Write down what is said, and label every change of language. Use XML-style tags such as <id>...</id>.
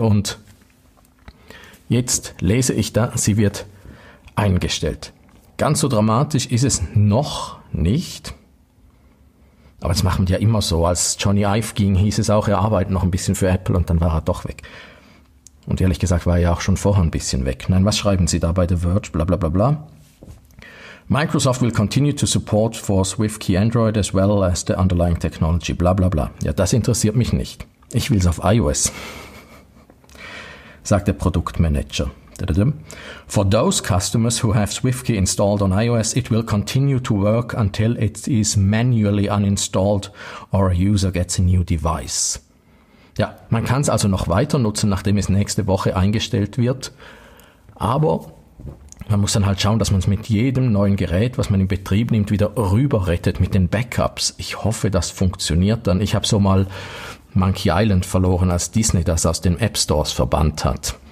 <de>Und jetzt lese ich da, sie wird eingestellt. Ganz so dramatisch ist es noch nicht. Aber das machen die ja immer so. Als Johnny Ive ging, hieß es auch, er arbeitet noch ein bisschen für Apple und dann war er doch weg. Und ehrlich gesagt war er ja auch schon vorher ein bisschen weg. Nein, was schreiben sie da bei The Verge? Bla bla bla bla.</de> <en>Microsoft will continue to support for SwiftKey Android as well as the underlying technology. Bla bla bla.</en> <de>Ja, das interessiert mich nicht. Ich will's auf iOS, sagt der Produktmanager.</de> <en>For those customers who have SwiftKey installed on iOS, it will continue to work until it is manually uninstalled or a user gets a new device.</en> <de>Ja, man kann es also noch weiter nutzen, nachdem es nächste Woche eingestellt wird. Aber man muss dann halt schauen, dass man es mit jedem neuen Gerät, was man in Betrieb nimmt, wieder rüberrettet mit den Backups. Ich hoffe, das funktioniert dann. Ich habe so mal Monkey Island verloren, als Disney das aus den App Stores verbannt hat.</de>